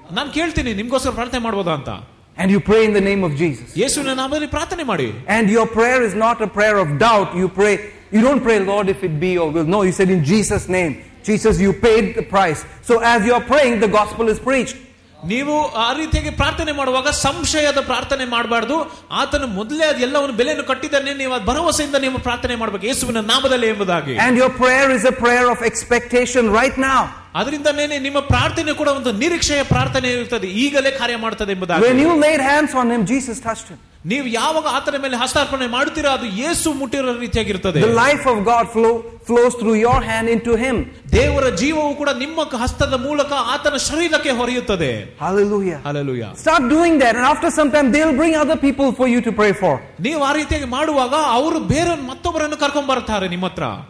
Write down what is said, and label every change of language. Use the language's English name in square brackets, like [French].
[Kannada] ನಾನು ಕೇಳ್ತೀನಿ ನಿಮಗೋಸ್ಕರ ಪ್ರಾರ್ಥನೆ ಮಾಡಬಹುದಾ ಅಂತ. [English] And you pray in the name of Jesus. [Kannada] ಯೇಸುವಿನ ನಾಮದಲ್ಲಿ ಪ್ರಾರ್ಥನೆ ಮಾಡಿ. [English] And your prayer is not a prayer of doubt. You don't pray, Lord, if it be your will. No, you said in Jesus' name. Jesus, you paid the price. So as you are praying, the gospel is preached. [Kannada] ನೀವು ಆ ರೀತಿಯಾಗಿ ಪ್ರಾರ್ಥನೆ ಮಾಡುವಾಗ ಸಂಶಯದ ಪ್ರಾರ್ಥನೆ ಮಾಡಬಾರ್ದು. ಆತನ ಮೊದಲೇ ಅದೆಲ್ಲವನ್ನು ಬೆಲೆಯನ್ನು ಕಟ್ಟಿದ್ದಾನೆ, ನೀವು ಅದ ಭರವಸೆಯಿಂದ ನೀವು ಪ್ರಾರ್ಥನೆ ಮಾಡಬೇಕು ಯೇಸುವಿನ ನಾಮದಲ್ಲಿ ಎಂಬುದಾಗಿ. [English] And your prayer is a prayer of expectation right now. [Kannada] ಅದರಿಂದ ನಿಮ್ಮ ಪ್ರಾರ್ಥನೆ ಕೂಡ ಒಂದು ನಿರೀಕ್ಷೆಯ ಪ್ರಾರ್ಥನೆ ಇರುತ್ತದೆ, ಈಗಲೇ ಕಾರ್ಯ ಮಾಡುತ್ತದೆ ಎಂಬುದಾಗಿ. [English] When you laid hands on him, Jesus touched him. [Kannada] ನೀವು ಯಾವಾಗ ಆತನ ಮೇಲೆ ಹಸ್ತಾರ್ಪಣೆ ಮಾಡುತ್ತೀರೋ ಅದು ಯೇಸು ಮುಟ್ಟಿರೋ ರೀತಿಯಾಗಿರುತ್ತದೆ. [English] The life of God flows through your hand into him. [Kannada] ದೇವರ ಜೀವವು ಕೂಡ ನಿಮ್ಮ ಹಸ್ತದ ಮೂಲಕ ಆತನ ಶರೀರಕ್ಕೆ ಹೊರೆಯುತ್ತದೆ. [English] Hallelujah. Hallelujah. Start doing that and after some time they'll bring other people for you to pray for. [Kannada] ನೀವು ಆ ರೀತಿಯಾಗಿ ಮಾಡುವಾಗ ಅವರು ಬೇರೆ ಮತ್ತೊಬ್ಬರನ್ನು ಕರ್ಕೊಂಡು ಬರುತ್ತಾರೆ ನಿಮ್ಮ ಹತ್ರ.